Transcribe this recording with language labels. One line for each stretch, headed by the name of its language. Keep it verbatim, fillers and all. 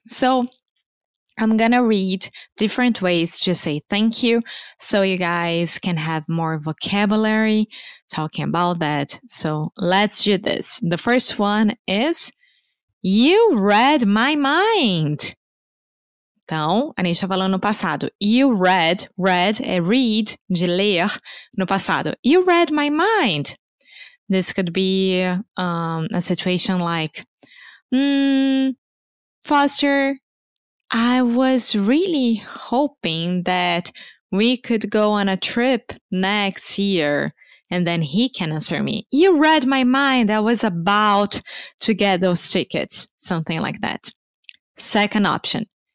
English: So I'm going to read different ways to say thank you so you guys can have more vocabulary talking about that. So let's do this. The first one is, you read my mind.
Portuguese: Então, a gente está falando no passado.
English: You read, read
Portuguese: é read, de ler, no passado.
English: You read my mind. This could be um, a situation like, hmm, Foster, I was really hoping that we could go on a trip next year. And then he can answer me, you read my mind. I was about to get those tickets. Something like that. Second option.